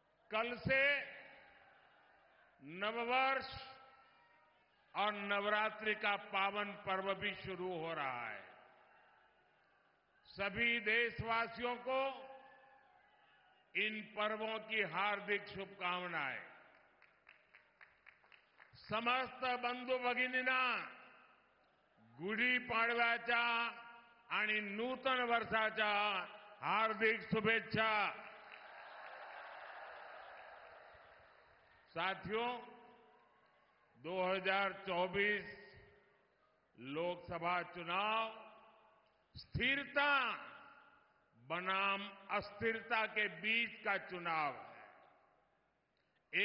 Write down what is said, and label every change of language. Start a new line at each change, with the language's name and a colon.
Hindi: कल से नववर्ष और नवरात्रि का पावन पर्व भी शुरू हो रहा है। सभी देशवासियों को इन पर्वों की हार्दिक शुभकामनाएं।
Marathi: समस्त बंधु भगिनींना गुढी पाडव्याच्या आणि नूतन वर्षाच्या हार्दिक शुभेच्छा।
Hindi: साथियों, 2024 लोकसभा चुनाव स्थिरता बनाम अस्थिरता के बीच का चुनाव है।